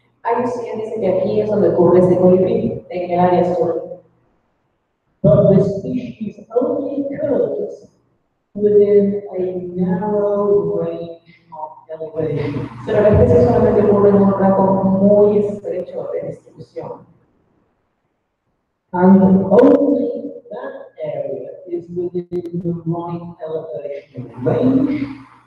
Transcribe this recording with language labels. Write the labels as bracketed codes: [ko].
[es] IUCN dice que aquí es donde ocurre este colibrí, en el área sur. [en] But the species only occurs within a narrow range of elevations. [es] Pero la especie solamente ocurre en un rango muy estrecho de distribución. [en] And only that area is within the right elevation range.